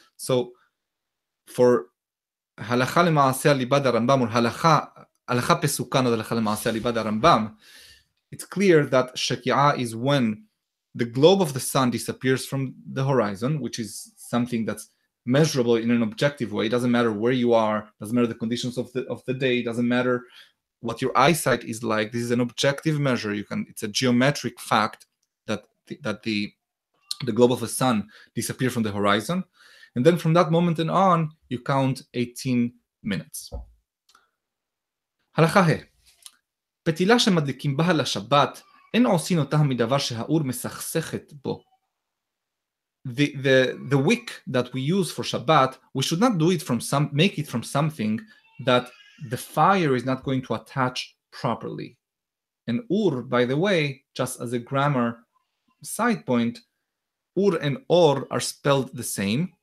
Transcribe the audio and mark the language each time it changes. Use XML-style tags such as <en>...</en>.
<en>So for</en> <he>halakha lema'ase alibad harambam,</he> <en>or</en> <he>halakha pesukan ad halakha lema'ase alibad harambam,</he> <en>it's clear that Shekiah is when the globe of the sun disappears from the horizon, which is something that's measurable in an objective way. It doesn't matter where you are, doesn't matter the conditions of the day, doesn't matter what your eyesight is like. This is an objective measure. It's a geometric fact that the globe of the sun disappears from the horizon. And then from that moment and on, you count 18 minutes.</en> <he>Halakha he. פתילה שמדליקים בה לשבת אין עושין אותה מדבר שהאור מסכסכת בו.</he> <en>The wick that we use for Shabbat, we should not make it from something that the fire is not going to attach properly. And ur, by the way, just as a grammar side point, ur and or are spelled the same.</en>